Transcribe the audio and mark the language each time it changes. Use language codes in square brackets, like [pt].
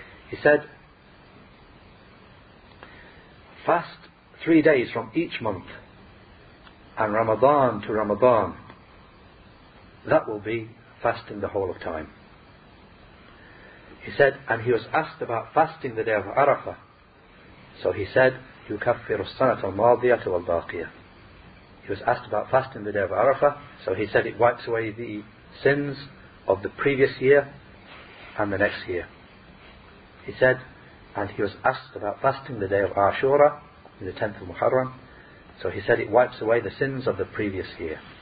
[en] He said, fast 3 days from each month, and Ramadan to Ramadan, that will be fasting the whole of time. He said, and he was asked about fasting the day of Arafah. So he said, [ar] يُكَفِّرُ السَّنَةَ الْمَاضِيَةَ وَالْبَاقِيَةَ. [en] He was asked about fasting the day of Arafah, so he said it wipes away the sins of the previous year and the next year. He said, and he was asked about fasting the day of Ashura, the 10th of Muharram, so he said it wipes away the sins of the previous year.